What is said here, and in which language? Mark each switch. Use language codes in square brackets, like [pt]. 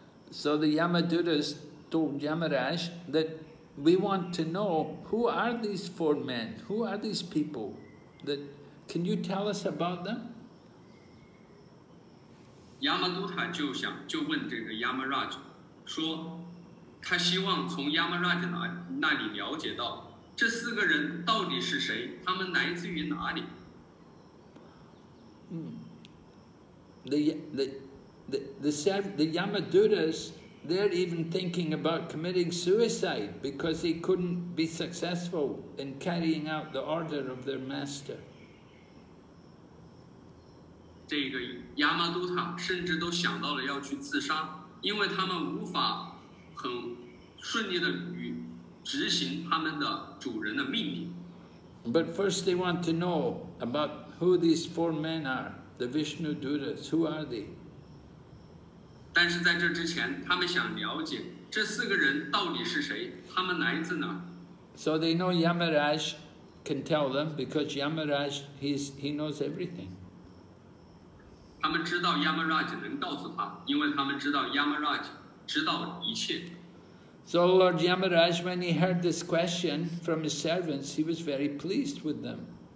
[en] So the Yamadutas told Yamaraj that we want to know who are these four men, who are these people, that can you tell us about them? [zh] 亚玛都塔就问这个亚玛拉吉，说他希望从亚玛拉吉那里了解到这四个人到底是谁，他们来自于哪里。 [en] The Yamaduras, they're even thinking about committing suicide because they couldn't be successful in carrying out the order of their master. [zh] 这个亚玛都塔甚至都想到了要去自杀，因为他们无法很顺利的与执行他们的主人的命令。 [en] But first they want to know about who these four men are, the Vishnu Duras, who are they? [zh] 但是在这之前，他们想了解这四个人到底是谁，他们来自哪。 [en] So they know Yamaraj can tell them because Yamaraj, he knows everything. [zh] 他们知道 Yamaraj 能告诉他，因为他们知道 Yamaraj 知道一切。 [en] So Lord Yamaraj, when he heard this question from his servants, he was very pleased with them.